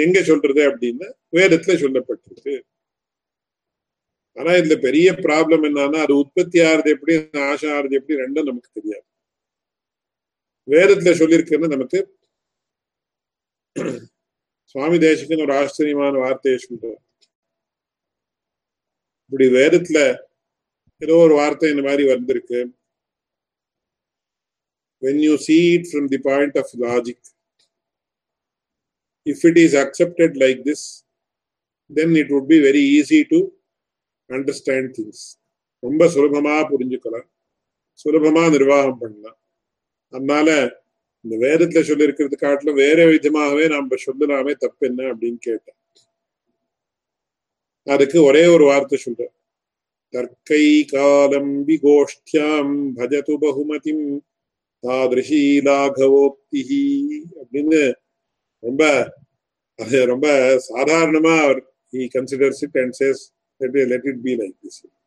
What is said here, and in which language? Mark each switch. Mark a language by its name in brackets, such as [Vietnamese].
[Tamil] எங்க சொல்றது அப்படின்னா வேதத்துல சொல்லப்பட்டிருக்கு. ஆனா இதுல பெரிய ப்ராப்ளம் என்னன்னா அது உற்பத்தி ஆறுது எப்படி ஆசை ஆறுது எப்படி ரெண்டும் நமக்கு தெரியாது. வேதத்துல சொல்லியிருக்குன்னு நமக்கு சுவாமி தேசிகன் ஒரு ஆச்சரியமான வார்த்தையை சொல்றார். இப்படி வேதத்துல ஏதோ ஒரு வார்த்தை இந்த மாதிரி வந்திருக்கு. [English] When you see it from the point of logic, if it is accepted like this, then it would be very easy to understand things. [Tamil] ரொம்ப சுலபமா புரிஞ்சுக்கலாம், சுலபமா நிர்வாகம் பண்ணலாம். அதனால இந்த வேதத்துல சொல்லி இருக்கிறது காட்டிலும் வேற விதமாகவே நாம சொல்லலாமே தப்பு என்ன அப்படின்னு கேட்டேன். அதுக்கு ஒரே ஒரு வார்த்தை சொல்ற, தர்க்கை காலம்பி கோஷ்டியாம் பஜது பகுமதிம் தாதிருஷி லாகவோக்தி அப்படின்னு ரொம்ப அது ரொம்ப சாதாரணமா அவர் [English] He considers it and says let it be like this.